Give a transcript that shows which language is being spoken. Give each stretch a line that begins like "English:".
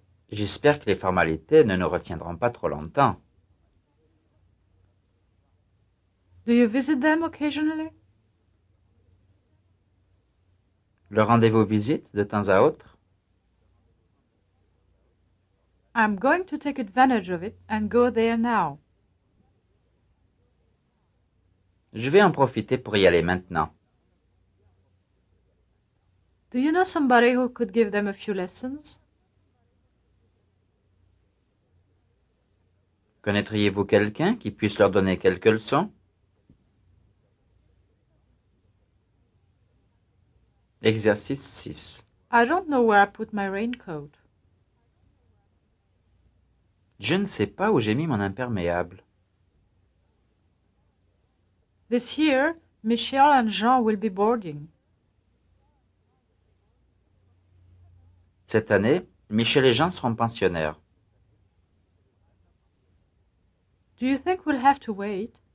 French: J'espère que les formalités ne nous retiendront pas trop longtemps.
English: Do you visit them occasionally?
French: Le rendez-vous visite de temps à autre?
English: I'm going to take advantage of it and go there now.
French: Je vais en profiter pour y aller maintenant.
English: Do you know somebody who could give them a few lessons?
French: Connaîtriez-vous quelqu'un qui puisse leur donner quelques leçons? Exercice 6.
English: I don't know where I put my raincoat.
French: Je ne sais pas où j'ai mis mon imperméable.
English: This year, Michel and Jean will be boarding.
French: Cette année, Michel et Jean seront pensionnaires.
English: Do you think we'll have to wait?